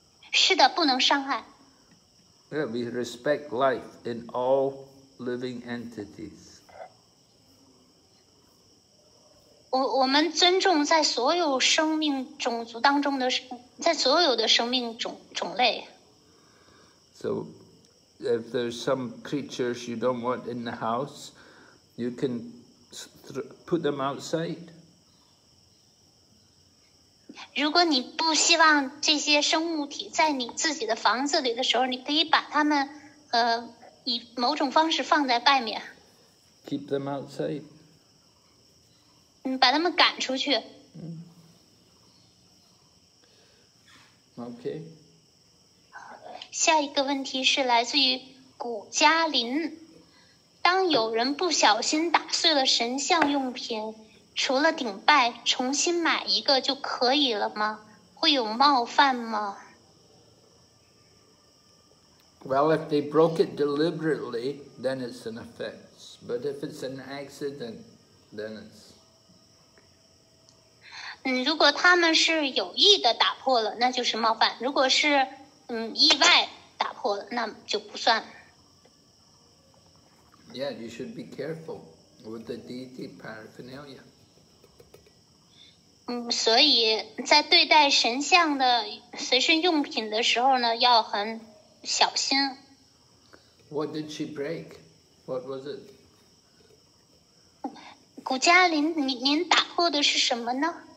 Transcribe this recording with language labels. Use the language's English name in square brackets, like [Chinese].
[Chinese] 是的，不能伤害。 [English] Yeah, we respect life in all living entities. [Chinese] 我们尊重在所有生命种族当中的，在所有的生命种类。 [English] So,If there's some creatures you don't want in the house, you can put them outside. [Chinese] 如果你不希望这些生物体在你自己的房子里的时候，你可以把它们以某种方式放在外面。 [English] Keep them outside. [Chinese] 把它们赶出去。 [English] Okay. [Chinese] 下一个问题是来自于古嘉林，当有人不小心打碎了神像用品，除了顶拜，重新买一个就可以了吗？会有冒犯吗 [English] ？Well, if they broke it deliberately, then it's an offense. But if it's an accident, then it's [Chinese] 如果他们是有意的打破了，那就是冒犯。如果是意外打破了，那就不算。 [English] Yeah, you should be careful with the deity paraphernalia. [Chinese] 所以在对待神像的随身用品的时候呢，要很小心。 [English] What did she break? What was it? [Chinese] 古嘉林，您打破的是什么呢？